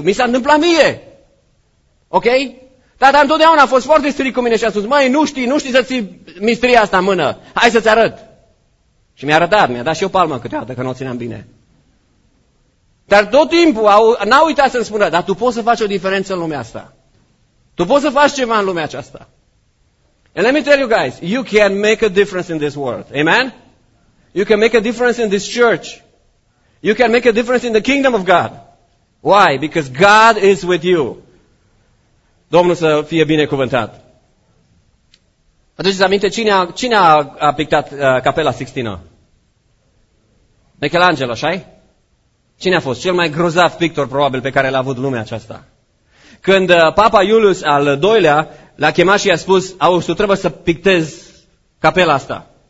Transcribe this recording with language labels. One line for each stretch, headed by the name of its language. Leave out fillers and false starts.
Romanian: Mi s-a întâmplat mie. Ok? Tata întotdeauna a fost foarte strict cu mine și a spus: măi, nu știi să ții mistria asta în mână. Hai să-ți arăt. Și mi-a arătat, mi-a dat și o palmă câteodată că nu o țineam bine. Dar tot timpul n-a uitat să-mi spună: dar tu poți să faci o diferență în lumea asta. Tu poți să faci ceva în lumea aceasta.
English: And let me tell you guys, you can make a difference in this world. Amen? You can make a difference in this church. You can make a difference in the kingdom of God. Why? Because God is with you.
Romanian: Domnul să fie binecuvântat. Aduceți aminte, cine a pictat Capela Sixtină? Michelangelo, așa-i? Cine a fost? Cel mai grozav pictor, probabil, pe care l-a avut lumea aceasta. Când Papa Iulius al II-lea l-a chemat și i-a spus: auzi, tu trebuie să pictezi capela asta.